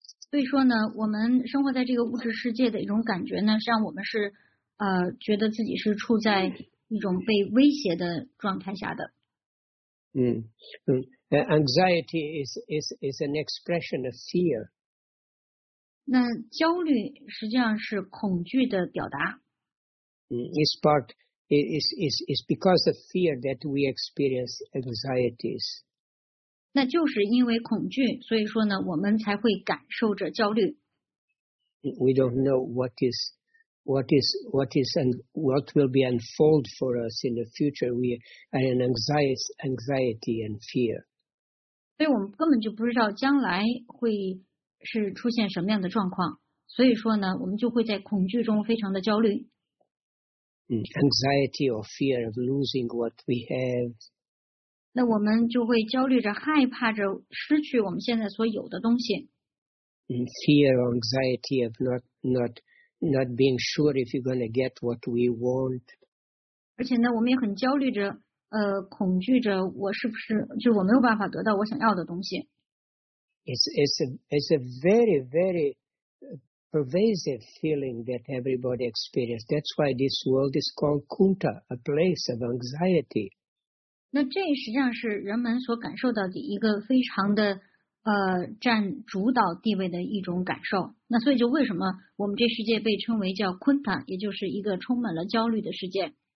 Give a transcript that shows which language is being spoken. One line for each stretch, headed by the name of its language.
Chinese: 所以说呢，我们生活在这个物质世界的一种感觉呢，让我们是觉得自己是处在一种被威胁的状态下的。
English: Anxiety is an expression of fear.
Chinese: 那焦虑实际上是恐惧的表达。
English: It's part is because of fear that we experience anxieties.
Chinese: 那就是因为恐惧，所以说呢，我们才会感受着焦虑。
English: We don't know what is and what will be unfold for us in the future. We are in anxiety and fear.
Chinese: 所以我们根本就不知道将来会是出现什么样的状况，所以说呢，我们就会在恐惧中非常的焦虑。
English: Anxiety or fear of losing what we have.
Chinese: 那我们就会焦虑着、害怕着失去我们现在所有的东西。
English: Fear or anxiety of not being sure if you're going to get what we want.
Chinese: 而且呢，我们也很焦虑着、恐惧着我是不是就我没有办法得到我想要的东西。
English: It's a very very. Pervasive feeling that everybody experiences. That's why this world is called Kunta, a place of anxiety.
Chinese: 那这实际上是人们所感受到的一个非常的占主导地位的一种感受。那所以就为什么我们这世界被称为叫 Kunta， 也就是一个充满了焦虑的世界。